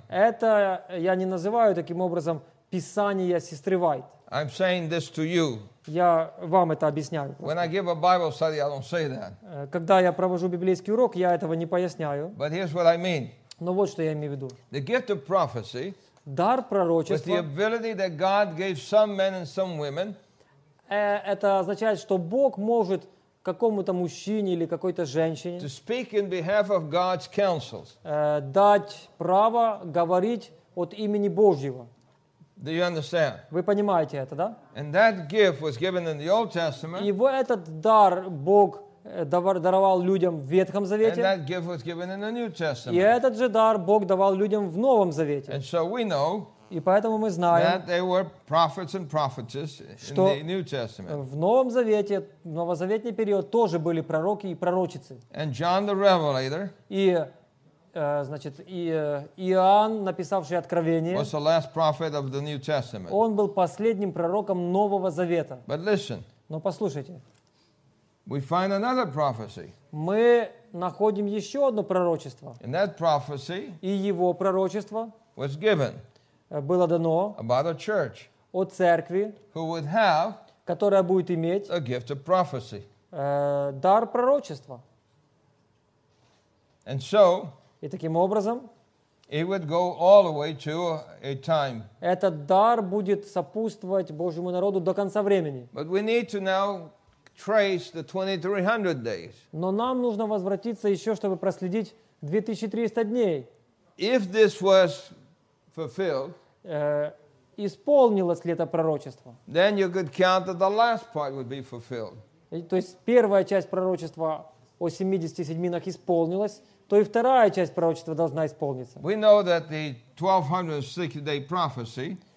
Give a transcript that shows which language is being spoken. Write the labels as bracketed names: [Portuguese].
[Russian] Это я не называю таким образом писания сестры Вайт. [English] I'm saying this to you. [Russian] Я вам это объясняю. [English] When I give a Bible study, I don't say that. [Russian] Когда я провожу библейский урок, я этого не поясняю. [English] But here's what I mean. [Russian] Но вот что я имею в виду. [English] The gift of prophecy. [Russian] Дар пророчества. [English] With the ability that God gave some men and some women. [Russian] Это означает, что Бог может какому-то мужчине или какой-то женщине [English] to speak in behalf of God's counsels. [Russian] Дать право говорить от имени Божьего. [English] Do you understand? [Russian] Вы понимаете это, да? [English] And that gift was given in the Old Testament. [Russian] И вот этот дар Бог даровал людям в Ветхом Завете. [English] And that gift was given in the New Testament. [Russian] И этот же дар Бог давал людям в Новом Завете. [English] And so we know. [Russian] И поэтому мы знаем, [English] that they were prophets and prophetesses in the New Testament. [Russian] В Новом Завете, в новозаветный период тоже были пророки и пророчицы. [English] And John the Revelator. [Russian] И значит, и Иоанн, написавший Откровение, [English] was the last prophet of the New Testament. [Russian] Он был последним пророком Нового Завета. [English] But listen. [Russian] Но послушайте. [English] We find another prophecy. [Russian] Мы находим еще одно пророчество. [English] And that prophecy. [Russian] И его пророчество [English] was given. [Russian] Было дано [English] about a church, [Russian] о церкви, [English] who would have, [Russian] которая будет иметь [English] a gift of prophecy. [Russian] Дар пророчества. [English] And so, [Russian] и таким образом, [English] it would go all the way to a time. [Russian] Этот дар будет сопутствовать Божьему народу до конца времени. [English] But we need to now trace the 2300 days. [Russian] Но нам нужно возвратиться еще, чтобы проследить 2300 дней. [English] If this was fulfilled, [Russian] исполнилось ли это пророчество? [English] Then you could count that the last part would be fulfilled. [Russian] То есть первая часть пророчества о 70 седьминах исполнилась, то и вторая часть пророчества должна исполниться. [English] We know that the 1260-day prophecy.